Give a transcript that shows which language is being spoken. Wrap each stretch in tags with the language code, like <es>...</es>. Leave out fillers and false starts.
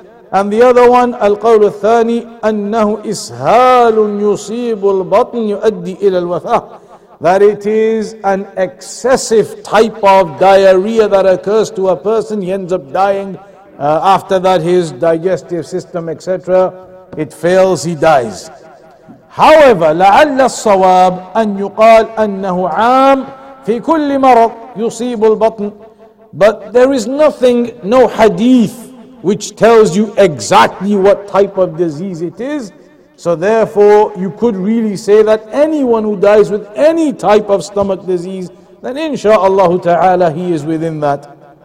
<en>And the other one,</en> <ar>القول الثاني أنه إسهال يصيب البطن يؤدي إلى الوفاة.</ar> <en>That it is an excessive type of diarrhea that occurs to a person, he ends up dying. After that, his digestive system, etc., it fails, he dies. However,</en> <ar>لعل الصواب أن يقال أنه عام في كل مرض يصيب البطن.</ar> <en>But there is nothing, no hadith, which tells you exactly what type of disease it is. So therefore, you could really say that anyone who dies with any type of stomach disease, then insha'Allah ta'ala, he is within that.</en>